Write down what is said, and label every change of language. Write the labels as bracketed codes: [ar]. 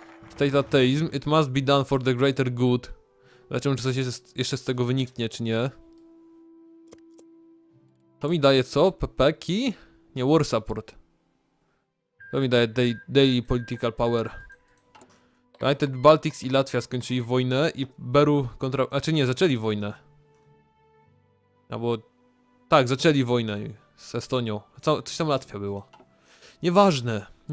[en] State ateizm, it must be done for the greater good. [pl] Zobaczymy, czy coś jeszcze z tego wyniknie, czy nie. To mi daje co? Pepeki? Nie, war support. To mi daje daily political power. United Baltics i Latwia skończyli wojnę i Beru kontra... Znaczy nie, zaczęli wojnę. Albo... Tak, zaczęli wojnę z Estonią. Coś tam Latwia było. Nieważne.